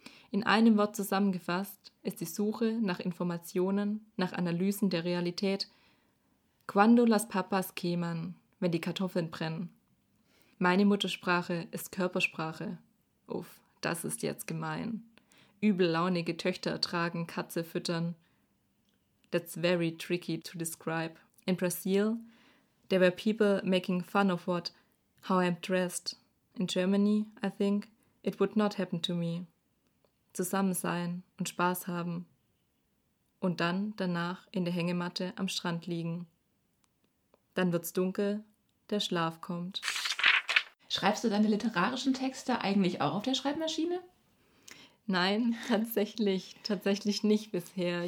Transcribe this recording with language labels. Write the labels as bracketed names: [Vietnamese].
[German] In einem Wort zusammengefasst ist die Suche nach Informationen, nach Analysen der Realität. [Spanish] Quando las papas queman, [German] wenn die Kartoffeln brennen. Meine Muttersprache ist Körpersprache. Uff, das ist jetzt gemein. Übellaunige Töchter tragen, Katze füttern. [English] That's very tricky to describe. In Brazil, there were people making fun of what, how I'm dressed. In Germany, I think, it would not happen to me. [German] Zusammen sein und Spaß haben. Und dann danach in der Hängematte am Strand liegen. Dann wird's dunkel, der Schlaf kommt. Schreibst du deine literarischen Texte eigentlich auch auf der Schreibmaschine? Nein, tatsächlich nicht bisher.